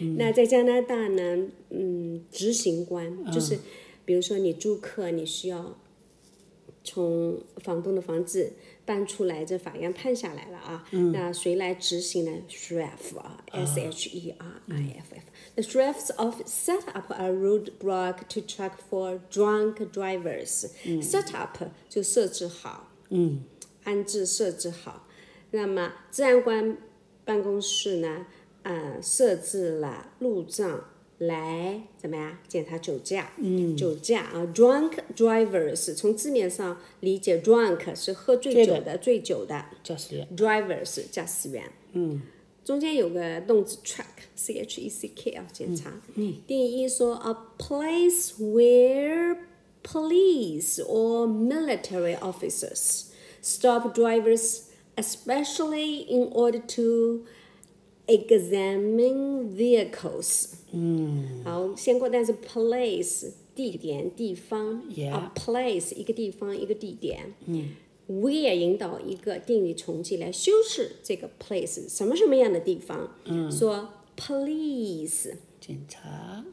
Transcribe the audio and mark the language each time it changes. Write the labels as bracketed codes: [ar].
[zh] 那在加拿大呢执行官，就是比如说你租客，你需要从房东的房子搬出来，这法院判下来了啊，那谁来执行呢？ [en] sheriff 啊， S-H-E-R-I-F-F。 The sheriff's office set up a roadblock to track for drunk drivers。 [zh] set up 就设置好，安置设置好。那么治安官办公室呢设置了路障来怎么样检查酒驾。酒驾啊 drunk drivers， 从字面上理解 drunk 是喝醉酒的，醉酒的驾驶员。 drivers 驾驶员。中间有个动词 track， C-H-E-C-K 啊，检查。定义说 [en] a place where police or military officers stop drivers especially in order to examine vehicles。 [zh] 好，先过单词 place， 地点地方。 a place 一个地方一个地点。where 引导一个定语从句来修饰这个 place， 什么什么样的地方。 [en] 说 police [zh] 警察，